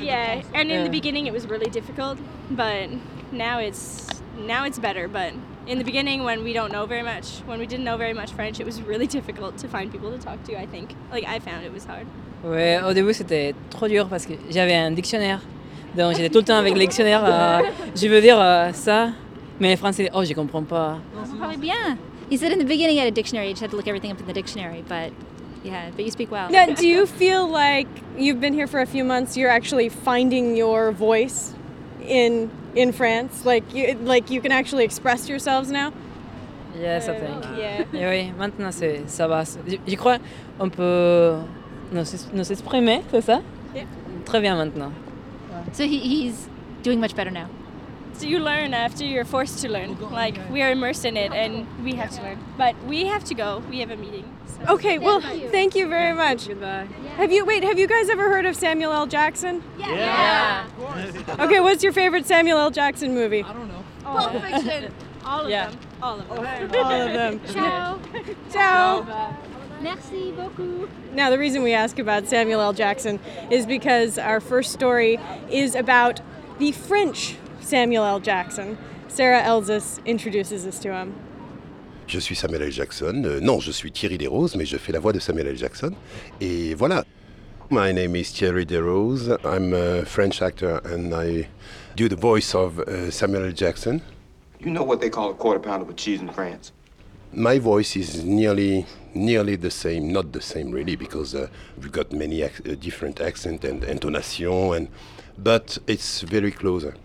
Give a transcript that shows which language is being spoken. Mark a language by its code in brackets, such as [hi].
[en] Yeah, and in the beginning it was really difficult, but now it's better. But in the beginning when we didn't know very much French, it was really difficult to find people to talk to, I think. Like, I found it was hard. [fr] Ouais, au début c'était trop dur parce que j'avais un dictionnaire. Donc j'étais tout le temps avec le dictionnaire. Je veux dire ça, mais en français, je comprends pas. [en] Probably bien. He said in the beginning he had a dictionary, he just had to look everything up in the dictionary, but... Yeah, but you speak well. Now, do you feel like you've been here for a few months, you're actually finding your voice in France? Like you can actually express yourselves now? Yes, I think. Yeah. [fr] Et oui, maintenant c'est ça va. Je crois on peut nous exprimer, c'est ça? [en] Yeah. [fr] Très bien maintenant. [en] So he's doing much better now. So you learn after you're forced to learn. Like, we are immersed in it and we have to learn. But we have to go. We have a meeting. So. Okay, well, thank you very much. Goodbye. Have you guys ever heard of Samuel L. Jackson? Yeah. Okay, what's your favorite Samuel L. Jackson movie? I don't know. Pulp Fiction. All of them. Okay. All of them. Ciao. [fr] Merci beaucoup. [en] Now, the reason we ask about Samuel L. Jackson is because our first story is about the French Samuel L. Jackson. Sarah Elzis introduces us to him. [fr] Je suis Samuel L. Jackson. Non, je suis Thierry Desroses, mais je fais la voix de Samuel L. Jackson. Et voilà. [en] My name is Thierry Desroses. I'm a French actor and I do the voice of Samuel L. Jackson. You know what they call a quarter pound of cheese in France? My voice is nearly the same, not the same really, because we've got many different accent and intonation, but it's very close.